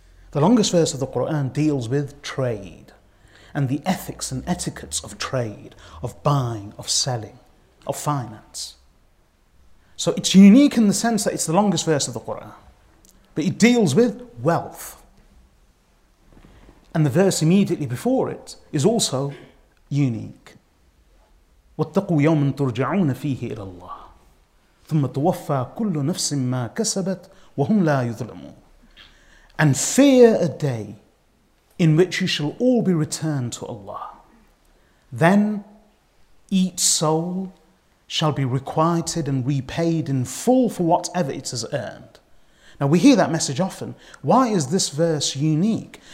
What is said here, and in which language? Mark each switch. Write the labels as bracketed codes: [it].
[en] The longest verse of the Quran deals with trade and the ethics and etiquettes of trade, of buying, of selling, of finance. So it's unique in the sense that it's the longest verse of the Quran, but it deals with wealth. And the verse immediately before it is also unique. [ar] واتقوا يوما ترجعون فيه إلى الله ثم توفى كل نفس ما كسبت وهم لا يظلمون. [en] And fear a day in which you shall all be returned to Allah. Then each soul shall be requited and repaid in full for whatever it has earned. Now we hear that message often. Why is this verse unique?